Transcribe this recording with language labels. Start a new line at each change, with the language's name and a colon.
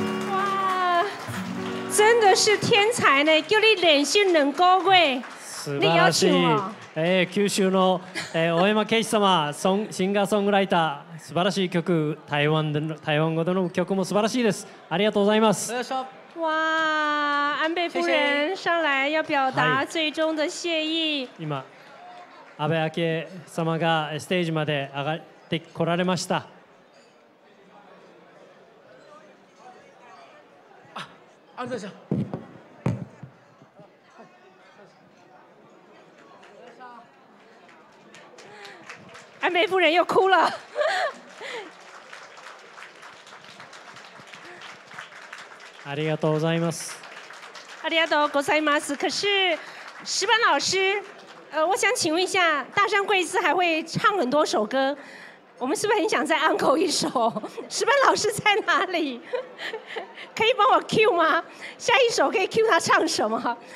Chinese: 哇，真的是天才，叫你練習兩個月。
Japanese: 素晴らしい、九州の、大山啓司様シンガーソングライター、素晴らしい曲、台湾での台湾語での曲も素晴らしいです。ありがとうございます。
Chinese: 哇，安倍夫人上来要表达最终的谢意。
Japanese: 今安倍昭恵様がステージまで上がってこられました。ありがとうございます。
Chinese: 安倍夫人又哭了。
Japanese: ありがとうございます。ありがとうございます。
Chinese: 可是石板老师，我想请问一下，大山贵司还会唱很多首歌，我们是不是很想再 encore 一首？石板老师在哪里？可以帮我 Q 吗？下一首可以 Q 他唱什么？